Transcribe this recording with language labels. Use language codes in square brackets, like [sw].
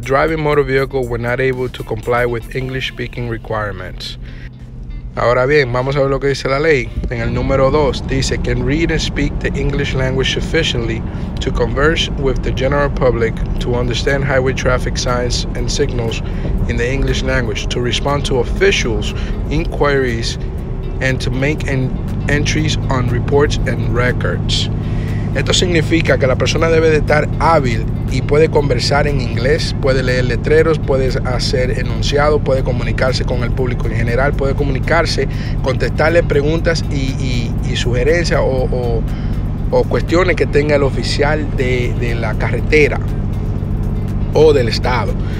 [en] Driving motor vehicle when not able to comply with English speaking requirements. [es] Ahora bien, vamos a ver lo que dice la ley. En el número 2 dice, [en] can read and speak the English language sufficiently to converse with the general public, to understand highway traffic signs and signals in the English language, to respond to officials' inquiries, and to make entries on reports and records. [es] Esto significa que la persona debe de estar hábil y puede conversar en inglés, puede leer letreros, puede hacer enunciado, puede comunicarse con el público en general, puede comunicarse, contestarle preguntas y sugerencias o cuestiones que tenga el oficial de la carretera o del estado.